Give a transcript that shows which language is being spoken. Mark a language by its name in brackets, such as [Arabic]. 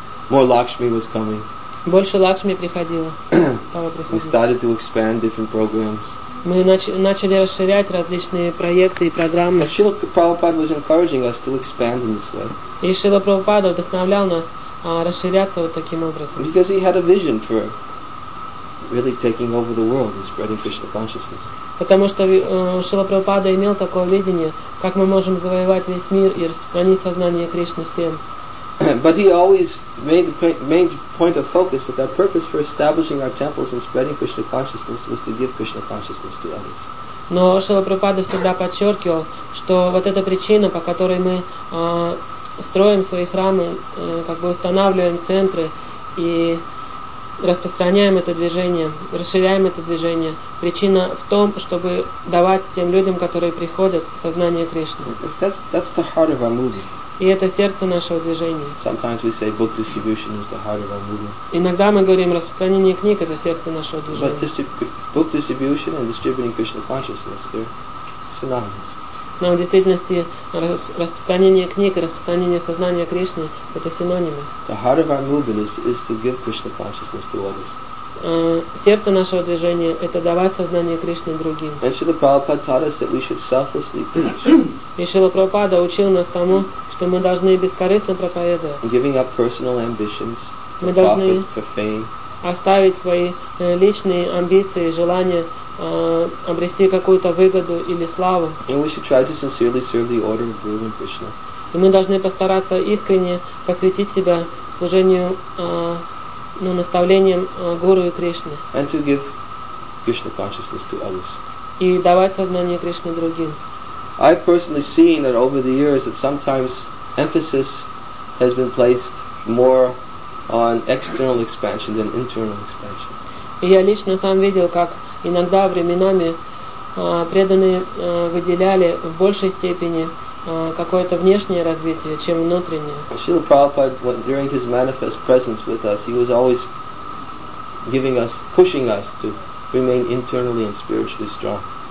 [English] More Lakshmi was coming. [Russian] Больше Лакшми приходило. Стало приходить. [English] We started to expand different programs. [Russian] Мы начали расширять различные проекты и программы. [English] Шрила Прабхупада was encouraging us to expand in this way. [Russian] И Шрила Прабхупада вдохновлял нас расширяться вот таким образом. [English] Because he had a vision for really taking over the world and spreading Krishna consciousness. [Russian] Потому что Шрила Прабхупада имел такое видение, как мы можем завоевать весь мир и распространить сознание Кришны всем. [English] But he always made the main point of focus that purpose for establishing our temples and spreading Krishna consciousness was to give Krishna consciousness to others. [Russian] Но Шрила Прабхупада всегда подчеркивал, что вот эта причина, по которой мы строим свои храмы, как бы устанавливаем центры и распространяем это движение, расширяем это движение. Причина в том, чтобы давать тем людям, которые приходят, сознание Кришны. [English] That's the heart of our movement. [Russian] И это сердце нашего движения. [English] Sometimes we say book distribution is the heart of our movement. [Russian] Иногда мы говорим, распространение книг — это сердце нашего движения. [English] But book distribution and distributing Krishna consciousness, they're synonymous. [Russian] Но в действительности распространение книг и распространение сознания Кришны — это синонимы. [English] The heart of our movement is to give Krishna consciousness to others. [Russian] Сердце нашего движения — это давать сознание Кришны другим. [English] And Srila Prabhupada taught us that we should selflessly preach. [Russian] И Шрила Прабхупада учил нас тому, что мы должны бескорыстно проповедовать. [English] Giving up personal ambitions for profit, [Russian] мы должны [English] for fame. [Russian] Оставить свои личные амбиции и желания обрести какую-то выгоду или славу. [English] And we should try to sincerely serve the order of Guru and Krishna. [Russian] И мы должны постараться искренне посвятить себя служению, ну, наставлениям Гуру и Кришны. [English] And to give Krishna consciousness to others. [Russian] И давать сознание Кришны другим. [English] I've personally seen that over the years that sometimes emphasis has been placed more on external expansion than internal expansion. [Russian] Я лично сам видел, как иногда временами преданные выделяли в большей степени какое-то внешнее развитие, чем внутреннее. [English] Srila Prabhupada, during his manifest presence with us, he was always giving us, pushing us to remain internally and spiritually strong.